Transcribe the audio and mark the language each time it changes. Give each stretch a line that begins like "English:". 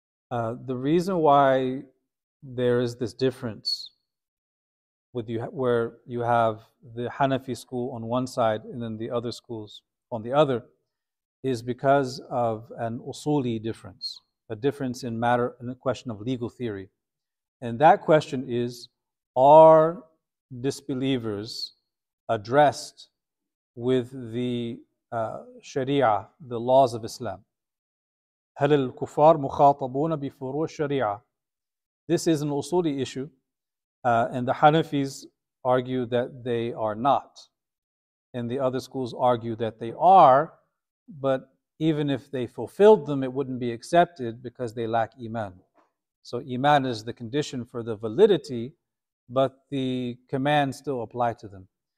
English: The reason why there is this difference with you, where you have the Hanafi school on one side and then the other schools on the other, is because of an usuli difference. A difference in matter and a question of legal theory. And that question is, are disbelievers addressed with the Sharia, the laws of Islam?
Arabic: هل الكفار مخاطبون بفروع الشريعة?
English: This is an usuli issue, and the Hanafis argue that they are not. And the other schools argue that they are, but even if they fulfilled them, it wouldn't be accepted because they lack iman. So iman is the condition for the validity, but the commands still apply to them.